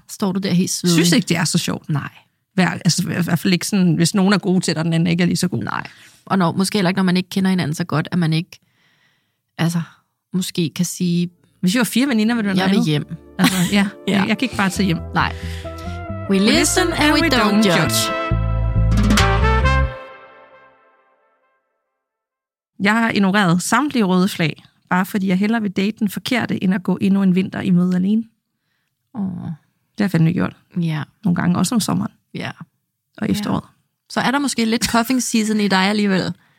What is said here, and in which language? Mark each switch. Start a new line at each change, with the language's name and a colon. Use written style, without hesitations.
Danish: Står du der helt svedig? Synes ikke, det er så sjovt. Nej. Altså, i hvert fald ikke sådan, hvis nogen er gode til dig, den anden ikke er lige så god. Nej. Og når, måske heller ikke, når man ikke kender hinanden så godt, at man ikke, altså, måske kan sige... Hvis jeg var fire veninder, vil du være med? Jeg vil hjem. Altså, ja, ja. Jeg kan ikke bare tage hjem. Nej.
English: We listen and we don't judge.
Danish: Jeg har ignoreret samtlige røde flag, bare fordi jeg hellere vil date den forkerte, end at gå endnu en vinter i møde alene. Oh. Det har jeg fandme gjort. Ja. Yeah. Nogle gange også om sommeren. Ja. Yeah. Og efteråret. Yeah. Så er der måske lidt cuffing season i dig alligevel?